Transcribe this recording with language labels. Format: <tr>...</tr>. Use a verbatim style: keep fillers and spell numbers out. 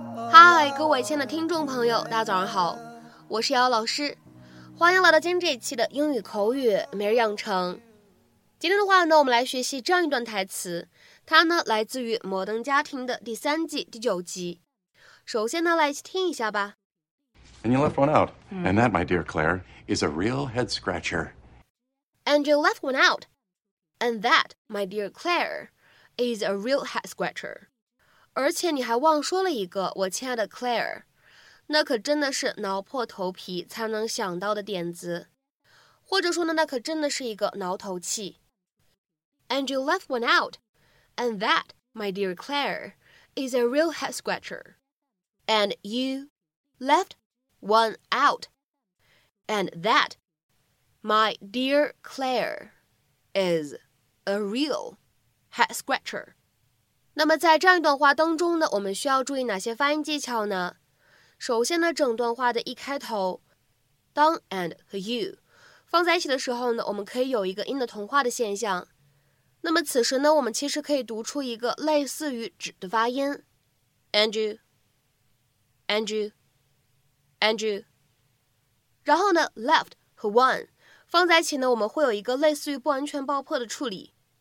<zh>嗨，各位亲爱的听众朋友，大家早上好，我是姚老师，欢迎来到今天这一期的英语口语每日养成。今天的话呢，我们来学习这样一段台词，它呢来自于《摩登家庭》的第三季第九集。首先呢，来听一下吧。</zh> <en>And you left one out, and that, my dear Claire, is a real head scratcher. And you left one out, and that, my dear Claire, is a real head scratcher.</en> <zh>而且你还忘说了一个，我亲爱的 Claire， 那可真的是挠破头皮才能想到的点子，或者说呢，那可真的是一个挠头气。</zh> <en>And you left one out, and that, my dear Claire, is a real head scratcher. And you left one out, and that, my dear Claire, is a real head scratcher.</en> <zh>那么在这样一段话当中呢，我们需要注意哪些发音技巧呢？首先呢，整段话的一开头，当 and 和 you 放在一起的时候呢，我们可以有一个音的同化的现象。那么此时呢，我们其实可以读出一个类似于纸的发音</zh> <en>and you, and you,Andrew，</en> <zh>然后呢 left 和 one 放在一起呢，我们会有一个类似于不完全爆破的处理。</zh>